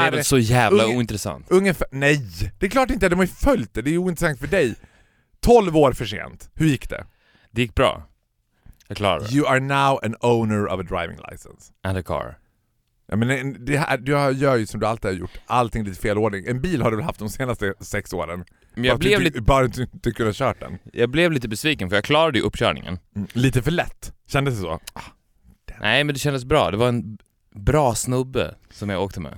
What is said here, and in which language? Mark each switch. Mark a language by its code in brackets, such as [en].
[sv] det är väl så jävla ointressant. Ungefär, nej, det är klart inte. De har ju följt det. Det är ointressant för dig. 12 år för sent. Hur gick det? Det gick bra. Jag klarade. [en] You are now an owner of a driving license. And a car. [sv] Ja, men det här, du gör ju som du alltid har gjort. Allting i lite fel ordning. En bil har du haft de senaste 6 åren. Men jag blev lite... Bara du inte kunde ha kört den. Jag blev lite besviken för jag klarade ju uppkörningen. Mm, lite för lätt. Kändes det så? Nej, men det kändes bra. Det var en... bra snubbe som jag åkte med.